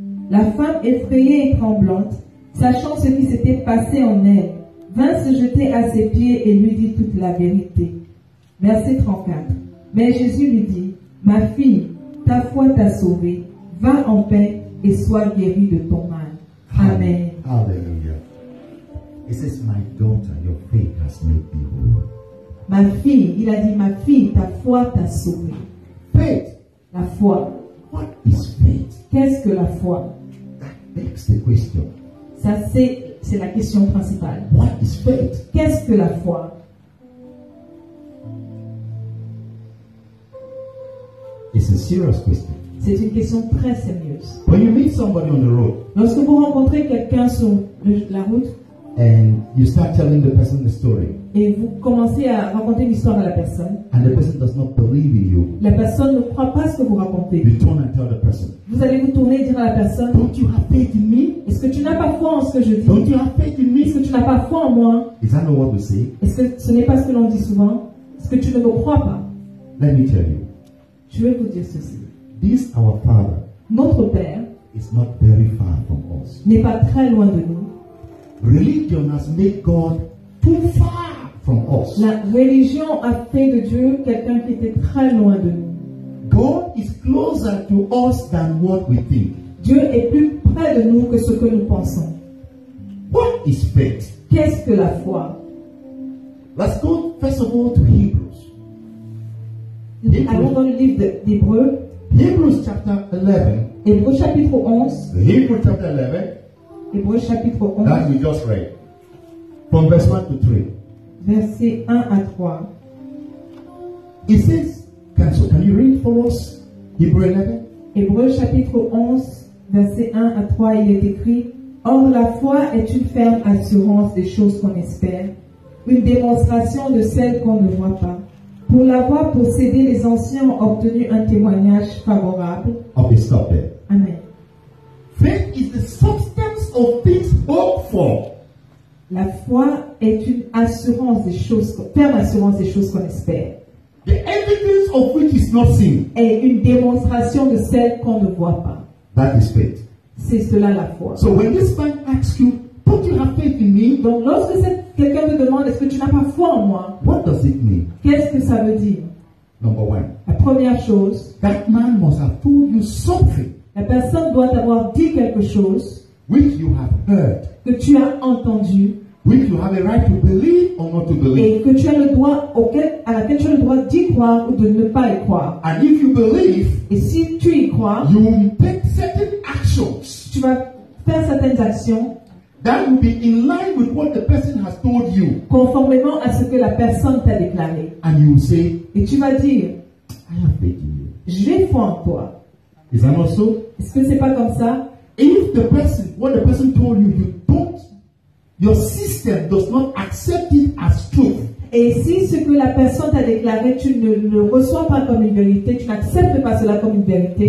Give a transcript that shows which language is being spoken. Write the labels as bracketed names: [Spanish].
[French] La femme, effrayée et tremblante, sachant ce qui s'était passé en elle, vint se jeter à ses pieds et lui dit toute la vérité. Verset 34. Mais Jésus lui dit, « Ma fille, ta foi t'a sauvée. Va en paix et sois guérie de ton mal. » Amen. Alléluia. [English] It says, « My daughter, your faith has made me whole. » [French] Ma fille, il a dit, « Ma fille, ta foi t'a sauvée. » [English] Faith. [French] La foi. [English] What is faith? [French] Qu'est-ce que la foi? [English] That begs the question. [French] Ça, c'est la question principale. [English] What is faith? [French] Qu'est-ce que la foi? [English] It's a serious question. [French] C'est une question très sérieuse. [English] When you meet somebody on the road, [French] lorsque vous rencontrez quelqu'un sur la route, [English] and you start telling the person the story, [French] et vous commencez à raconter l'histoire à la personne, [English] and the person does not believe in you, [French] la personne ne croit pas ce que vous racontez. [English] You turn and tell the person, [French] vous allez vous tourner et dire à la personne, [English] don't you have faith in me? [French] Est-ce que tu n'as pas foi en ce que je dis? [English] Don't you have faith in me? [French] Est-ce que tu n'as pas foi en moi? [English] Is that not what we say? [French] Est-ce que ce n'est pas ce que l'on dit souvent? Est-ce que tu ne me crois pas? [English] Let me tell you. [French] Je vais vous dire ceci. [English] This our Father, [French] notre Père, [English] is not very far from us. [French] N'est pas très loin de nous. [English] Religion has made God too far from us. [French] La religion a fait de Dieu quelqu'un qui était très loin de nous. [English] God is closer to us than what we think. [French] Dieu est plus près de nous que ce que nous pensons. [English] What is faith? [French] Qu'est-ce que la foi? [English] Let's go first of all to Hebrews. [French] Allons dans le livre d'Hébreu. [English] Hebrews chapter 11. [French] Hébreu chapitre 11. [English] Hebrews chapter 11. [French] Hébreu chapitre 11. [English] That we just read. From verse 1 to 3. [French] Verset 1 à 3. [English] It says, can you read for us Hebrews 11? [French] Hébreu chapitre 11, verset 1 à 3, il est écrit, or la foi est une ferme assurance des choses qu'on espère, une démonstration de celles qu'on ne voit pas. Pour l'avoir possédé, les anciens ont obtenu un témoignage favorable. [English] Okay, stop there. Amen. Faith is the substance of things hoped for. [French] La foi est une assurance des choses, ferme assurance des choses qu'on espère. [English] The evidence of which is not seen. [French] Et une démonstration de celles qu'on ne voit pas. [English] That is faith. [French] C'est cela la foi. [English] So when this man asks you, don't you have faith in me? [French] Donc lorsque quelqu'un te demande, est-ce que tu n'as pas foi en moi? [English] What does it mean? [French] Qu'est-ce que ça veut dire? [English] Number one. [French] La première chose. [English] That man must have told you something. [French] La personne doit avoir dit quelque chose. [English] Which you have heard. [French] Que tu as entendu. [English] Which you have a right to believe or not to believe. [French] Et que tu as le droit à laquelle tu as le droit d'y croire ou de ne pas y croire. [English] And if you believe. [French] Et si tu y crois. [English] You will take certain actions. [French] Tu vas faire certaines actions. [English] That will be in line with what the person has told you. [French] Conformément à ce que la personne t'a déclaré. [English] And you will say, [French] et tu vas dire, [English] I have faith in you. [French] J'ai foi en toi. [English] Is that not so? [French] Est-ce que c'est pas comme ça? [English] If the person, what the person told you, you don't, your system does not accept it as truth. [French] Et si ce que la personne t'a déclaré, tu ne le reçois pas comme une vérité, tu n'acceptes pas cela comme une vérité,